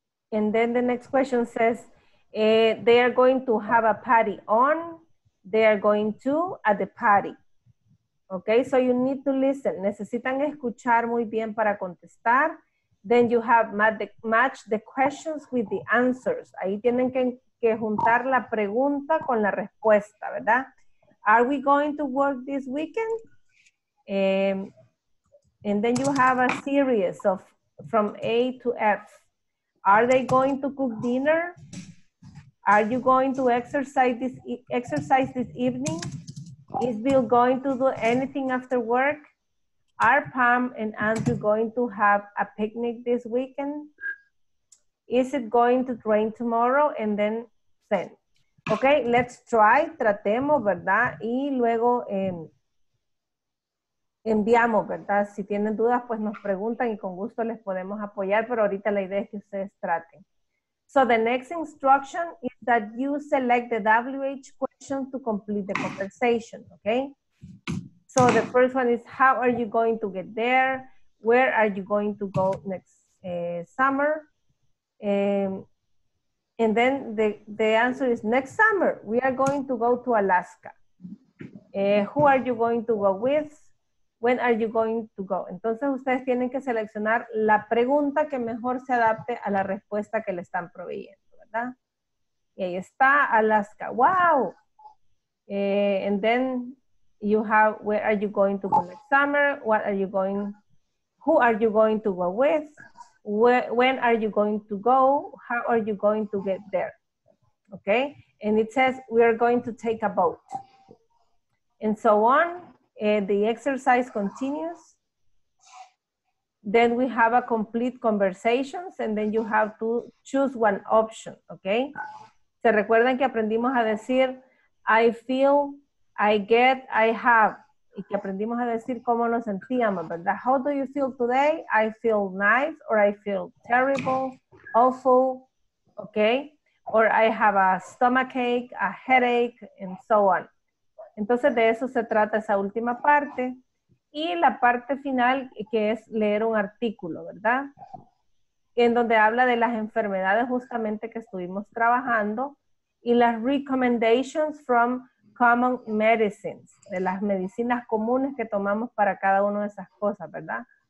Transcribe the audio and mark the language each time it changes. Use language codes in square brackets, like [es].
[en] And then the next question says, they are going to have a party on, they are going to at the party. Okay, so you need to listen. [es] Necesitan escuchar muy bien para contestar. [en] Then you have match the questions with the answers. [es] Ahí tienen que juntar la pregunta con la respuesta, ¿verdad? [en] Are we going to work this weekend? And then you have a series of from A to F. Are they going to cook dinner? Are you going to exercise this evening? Is Bill going to do anything after work? Are Pam and Andrew going to have a picnic this weekend? Is it going to rain tomorrow? And then send. Okay, let's try. [es] Tratemos, ¿verdad? Y luego enviamos, ¿verdad? Si tienen dudas, pues nos preguntan y con gusto les podemos apoyar. Pero ahorita la idea es que ustedes traten. [en] So the next instruction is that you select the WH question to complete the conversation, okay? So the first one is, how are you going to get there? Where are you going to go next summer? And then the answer is, next summer, we are going to go to Alaska. Who are you going to go with? When are you going to go? [es] Entonces ustedes tienen que seleccionar la pregunta que mejor se adapte a la respuesta que le están proveyendo, ¿verdad? Y ahí está, Alaska. ¡Wow! [en] And then you have, where are you going to go next summer? What are you going, who are you going to go with? When are you going to go? How are you going to get there? Okay? And it says, we are going to take a boat. And so on. And the exercise continues. Then we have a complete conversations and then you have to choose one option, okay? [es] ¿Se recuerdan que aprendimos a decir, [en] I feel, I get, I have, [es] y que aprendimos a decir cómo nos sentíamos, ¿verdad? [en] How do you feel today? I feel nice, or I feel terrible, awful, okay? Or I have a stomachache, a headache, and so on. [es] Entonces, de eso se trata esa última parte. Y la parte final, que es leer un artículo, ¿verdad? En donde habla de las enfermedades justamente que estuvimos trabajando y las [en] recommendations from common medicines, [es] de las medicinas comunes que tomamos para cada una de esas cosas, ¿verdad?